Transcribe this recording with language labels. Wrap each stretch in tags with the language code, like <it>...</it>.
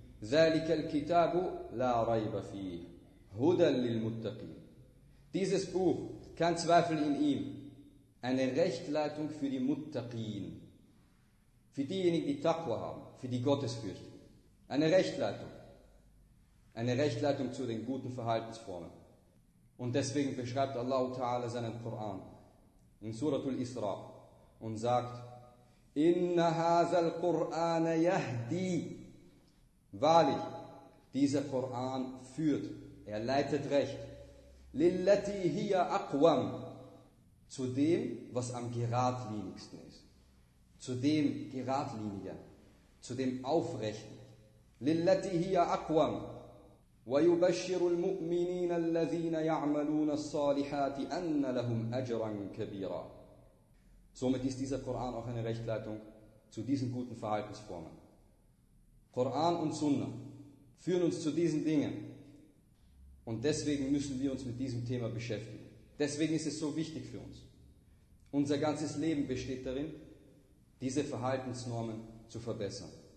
<ar>ذلك الكتاب لا ريب فيه هدى للمتقين.</ar> <de>Dieses Buch, kein Zweifel in ihm, eine Rechtleitung für die Muttaqin, für diejenigen, die Taqwa haben, für die Gottesfürchtigen. Eine Rechtleitung. Eine Rechtleitung zu den guten Verhaltensformen. Und deswegen beschreibt Allah Ta'ala seinen Koran in Surah Al-Isra und sagt,</de> <ar>Inna hazal Quran yahdi.</ar> <de>Wahrlich, dieser Koran führt, er leitet recht.</de> <ar>Lillati hiya aqwam.</ar> <de>Zu dem, was am geradlinigsten ist. Zu dem geradlinigen. Zu dem aufrechten.</de> <ar>Lillati hiya aqwam. ويبشر المؤمنين الذين يعملون الصالحات أن لهم أجرا كبيرا.</ar> <de>Somit ist dieser Koran auch eine Rechtleitung zu diesen guten Verhaltensformen. Koran und Sunna führen uns zu diesen Dingen. Und deswegen müssen wir uns mit diesem Thema beschäftigen. Deswegen ist es so wichtig für uns. Unser ganzes Leben besteht darin, diese Verhaltensnormen zu verbessern.</de>